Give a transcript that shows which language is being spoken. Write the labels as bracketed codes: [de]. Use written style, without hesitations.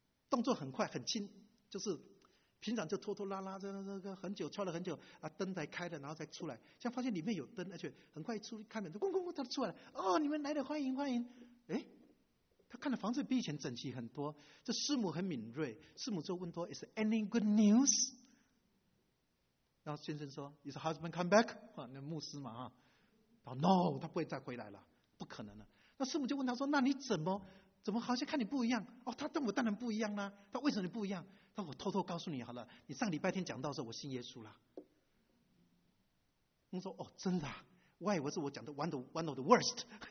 [zh] 动作很快很轻，就是平常就拖拖拉拉很久敲了很久啊，灯才开了然后才出来，现在发现里面有灯，而且很快出开门就咣咣咣就出来了。哦，你们来了，欢迎欢迎。哎，他看了房子比以前整齐很多，这师母很敏锐，师母就问说 [en] Is any good news？ [zh] 然后先生说 [en] Is husband come back？ [zh] 那牧师嘛，然后 No， 他不会再回来了，不可能了。那师母就问他说，那你怎么好像看你不一样。哦，他跟我当然不一样啦，他为什么你不一样？那我偷偷告诉你好了，你上礼拜天讲到的时候我信耶稣了。我说哦，真的啊，我以为是我讲的 [en] one of the worst。